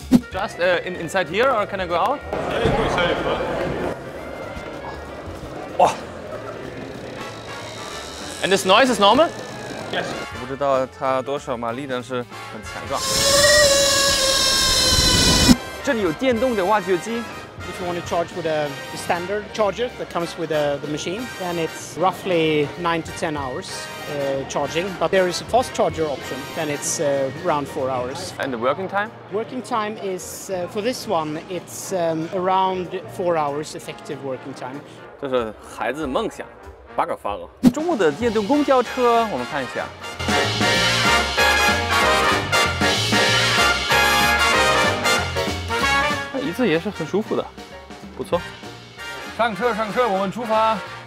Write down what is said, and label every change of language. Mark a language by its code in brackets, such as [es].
[en] Just inside here or can I go out? Safe. 哇。 And this noise is normal? Yes. [zh] 不知道它多少马力，但是很强壮。这里有电动的挖掘机。 [en] If you want to charge with the standard charger that comes with the machine, then it's roughly 9 to 10 hours charging. But there is a fast charger option, then it's around 4 hours. And the working time? Working time is, for this one, it's around 4 hours effective working time. [zh] 这是孩子梦想，八个方案。中国的电动公交车，我们看一下。这也是很舒服的，不错。上车上车，我们出发。